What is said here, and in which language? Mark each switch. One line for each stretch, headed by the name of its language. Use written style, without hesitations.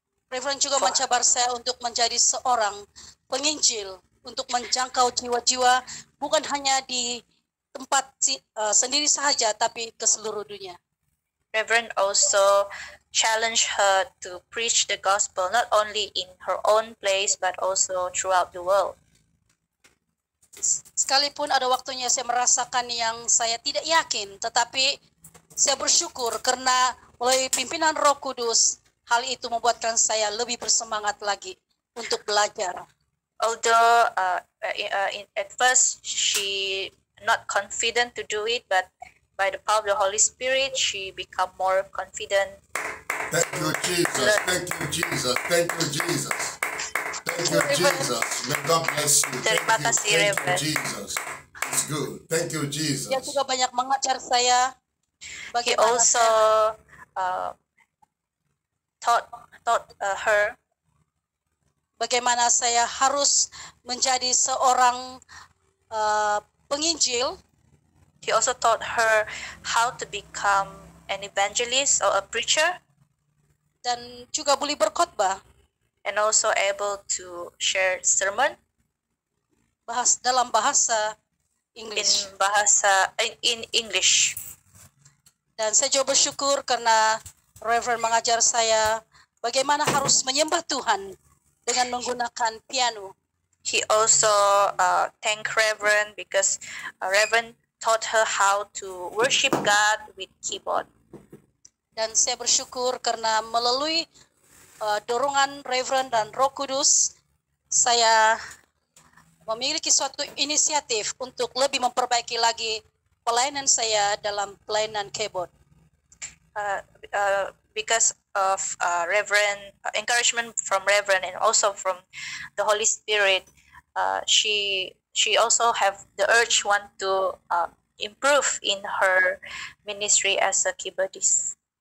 Malay: Reverend juga mencabar saya untuk menjadi seorang penginjil untuk menjangkau jiwa-jiwa bukan hanya di tempat sendiri saja tapi ke seluruh dunia.
English: Reverend also challenge her to preach the gospel not only in her own place but also throughout the world.
Malay: Sekalipun ada waktunya saya merasakan yang saya tidak yakin, tetapi saya bersyukur karena melalui pimpinan Roh Kudus hal itu membuatkan saya lebih bersemangat lagi untuk belajar.
English: Although at first she not confident to do it, but by the power of the Holy Spirit, she become more confident. Thank you, Jesus. Thank you, Jesus. Thank you, Jesus. Thank you, Jesus. May God bless you.
Malay: Terima kasih, Reverend.
English: Thank you, Jesus. It's good. Thank you, Jesus.
Malay: Dia juga banyak mengajar saya
English: He also taught her
Malay: bagaimana saya harus menjadi seorang penginjil.
English: He also taught her how to become an evangelist or a preacher.
Malay: Dan juga boleh berkhotbah.
English: And also able to share sermon.
Malay: Bahas dalam bahasa English.
English: In English.
Malay: Dan saya juga bersyukur karena Reverend mengajar saya bagaimana harus menyembah Tuhan dengan menggunakan piano.
English: He also thank Reverend because Reverend taught her how to worship God with keyboard.
Malay: Dan saya bersyukur karena melalui dorongan Reverend dan Roh Kudus, saya memiliki suatu inisiatif untuk lebih memperbaiki lagi pelayanan saya dalam pelayanan keyboard.
English: Because of Reverend encouragement from Reverend and also from the Holy Spirit, she also have the urge want to improve in her ministry as a keyboardist.